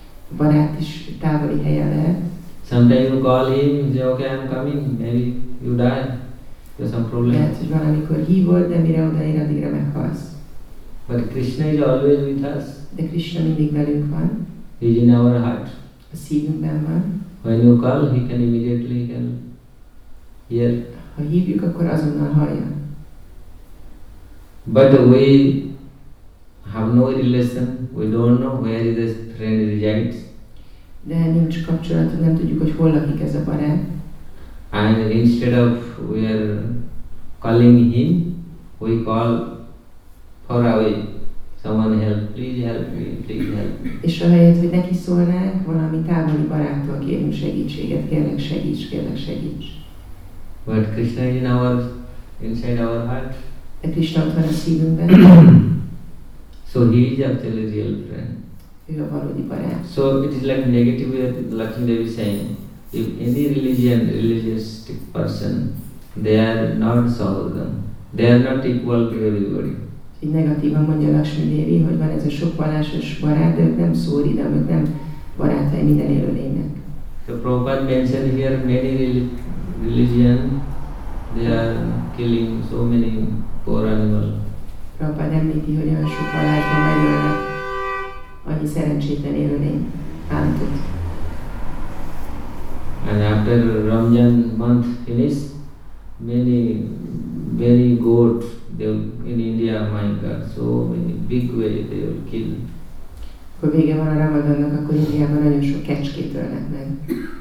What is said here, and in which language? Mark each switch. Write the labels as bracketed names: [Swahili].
[Hungarian] A barát is távoli helyen lehet. [English] Sometimes you call him, you say, okay, I'm coming, maybe you die. There's some problem. [Hungarian] Lehet, hogy valamikor hívod, de mire odaér, addigra meghalsz. [English] But Krishna is always with us. [Hungarian] De Krishna mindig velünk van. [English] He is in our heart. [Hungarian] A szívünkben van. [English] When you call, he can immediately hear. [Hungarian] Ha hívjuk, akkor azonnal hallja. [English] But we have no relation, we don't know where this friend resides. [Hungarian] De nincs kapcsolat, nem tudjuk, hogy hol lakik ez a barát. [English] And instead of we are calling him, we call far away. Someone help, please help me, please help. [Hungarian] És ahelyett, hogy neki szólnánk, valami távoli baráttól kérünk segítséget, kérlek segíts, kérlek segíts. [English] But Krishna is in our, inside our heart. [Hungarian] De Krishna ott van a szívünkben. [English] So he is actually real friend. [Hungarian] Ő a valódi barát. [English] So it is like negative way that Lakshmidevi is saying. If any religion, religious person, they are not Sahodam. They are not equal to everybody. [Hungarian] Így negatívan mondja Lakshmidevi, hogy van ez a sok vallásos barát, de nem szóri, de amit nem barátai minden élőlénynek. [English] So Prabhupada mentioned here many religion, they are killing so many poor animals. [Hungarian] Prabhupada említi, hogy olyan sok vallásban megölnek annyi szerencsétlen élőlény állatot. [English] And after Ramjan month finish, many very goat in India, my God, so many big way they will kill. [Hungarian] Akkor vége van a Ramadannak, akkor Indiában nagyon sok kecskét ölnek meg.